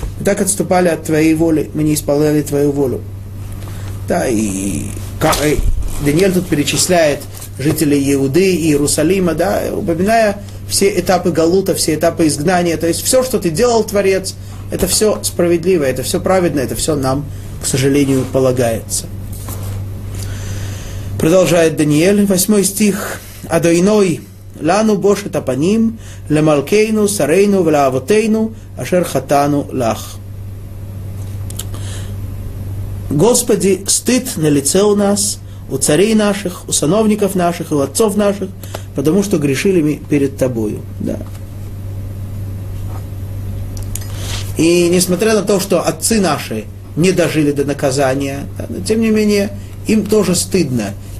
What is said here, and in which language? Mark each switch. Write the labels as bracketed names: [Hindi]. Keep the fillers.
[Russian] Мы так отступали от твоей воли, мы не исполняли твою волю. Да, и, как, и Даниэль тут перечисляет жителей Иуды и Иерусалима, да, упоминая все этапы Галута, все этапы изгнания. То есть все, что ты делал, Творец, это все справедливо, это все праведно, это все нам, к сожалению, полагается. Продолжает Даниэль, 8 стих. [Hebrew] Адойной, לנו בושת הפנים, למלכנו, שרינו ולאבותינו, אשר חטאנו לך. [Russian] Господи, стыд на лице у нас, у царей наших, у сановников наших, у отцов наших, потому что грешили мы перед Тобою. Да. И несмотря на то, что отцы наши не дожили до наказания, да, но тем не менее, им тоже стыдно.